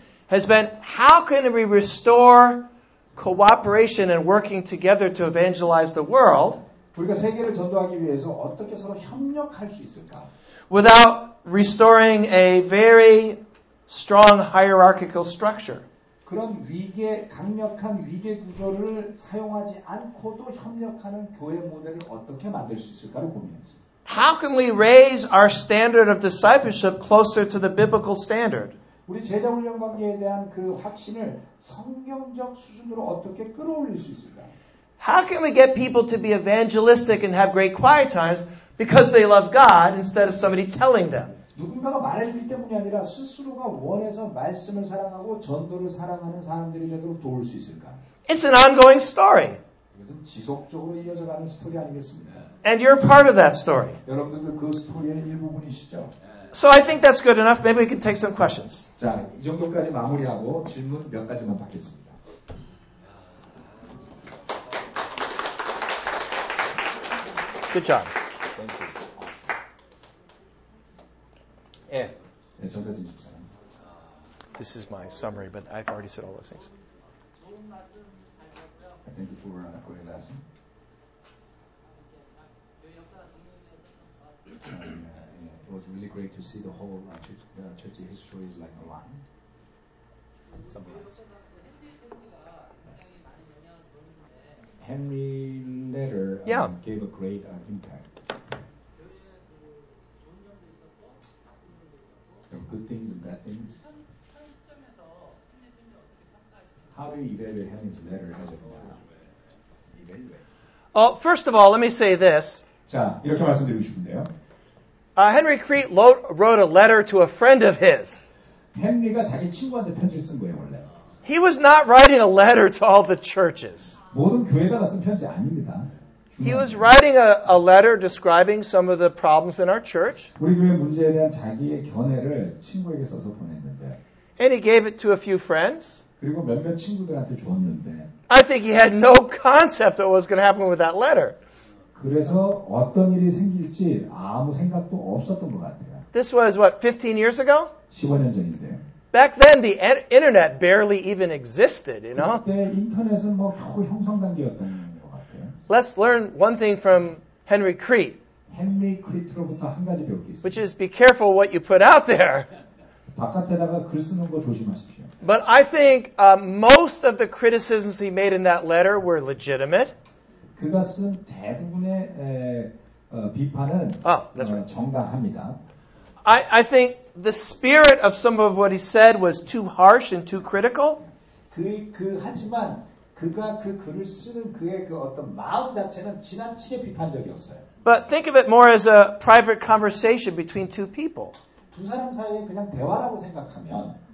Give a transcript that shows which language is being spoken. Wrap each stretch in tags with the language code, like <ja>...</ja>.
<en>has been, how can we restore cooperation and working together to evangelize the world</en> <ko>우리가 세계를 전도하기 위해서 어떻게 서로 협력할 수 있을까?</ko> <en>Without restoring a very strong hierarchical structure.</en> <ko>그런 위계, 강력한 위계 구조를 사용하지 않고도 협력하는 교회 모델을 어떻게 만들 수 있을까를 고민했습니다.</ko> <en>How can we raise our standard of discipleship closer to the biblical standard?</en> <ko>우리 제자 훈련 관계에 대한 그 확신을 성경적 수준으로 어떻게 끌어올릴 수 있을까?</ko> <en>How can we get people to be evangelistic and have great quiet times because they love God instead of somebody telling them?</en> <ko>누군가가 말해주기 때문이 아니라 스스로가 원해서 말씀을 사랑하고 전도를 사랑하는 사람들이 되도록 도울 수 있을까?</ko> <en>It's an ongoing story.</en> <ko>이것은 지속적으로 이어져 가는 스토리 아니겠습니까?</ko> <en>And you're part of that story.</en> <ko>여러분들도 그 스토리의 일부분이시죠?</ko> <en>So I think that's good enough. Maybe we can take some questions.</en> <ko>자, 이 정도까지 마무리하고 질문 몇 가지만 받겠습니다.</ko> <en>Good job. Thank you.</en> <ko>예. 네, 전까지 주셨잖아요.</ko> <en>This is my summary, but I've already said all those things. Thank you for a great lesson. 네, it was really great to see the whole church history is like a line. Some lines. Henry Letter gave a great impact. There were good things and bad things. How do you evaluate Henry's letter as of now? Well, first of all, let me say this.</en> <ko>자, 이렇게 말씀드리고 싶은데요.</ko> <en>Henry Crete wrote a letter to a friend of his.</en> <ko>헨리가 자기 친구한테 편지를 쓴 거예요, 원래.</ko> <en>He was not writing a letter to all the churches.</en> <ko>모든 교회가 쓴 편지 아닙니다.</ko> <en>He was writing a letter describing some of the problems in our church.</en> <ko>우리 교회 문제에 대한 자기의 견해를 친구에게 써서 보냈는데.</ko> <en>And he gave it to a few friends.</en> <ko>그리고 몇몇 친구들한테 줬는데.</ko> <en>I think he had no concept of what was going to happen with that letter.</en> <ko>그래서 어떤 일이 생길지 아무 생각도 없었던 것 같아요.</ko> <en>This was what 15 years ago?</en> <ko>15년 전인데요.</ko> <en>Back then, the internet barely even existed, you know?</en> <ko>그때 인터넷은 뭐 겨우 형성 단계였던 것 같아요.</ko> <en>Let's learn one thing from Henry Crete.</en> <ko>Henry Crete로부터 한 가지 배울 게 있어요.</ko> <en>Which is, be careful what you put out there.</en> <ko>바깥에다가 글 쓰는 거 조심하십시오.</ko> <en>But I think most of the criticisms he made in that letter were legitimate.</en> <ko>그가 쓴 대부분의 비판은 정당합니다.</ko> <en>I think the spirit of some of what he said was too harsh and too critical.</en> <ko>하지만 그가 그 글을 쓰는 그의 그 어떤 마음 자체는 지나치게 비판적이었어요.</ko> <en>But think of it more as a private conversation between two people.</en> <ko>두 사람 사이에 그냥 대화라고 생각하면</ko>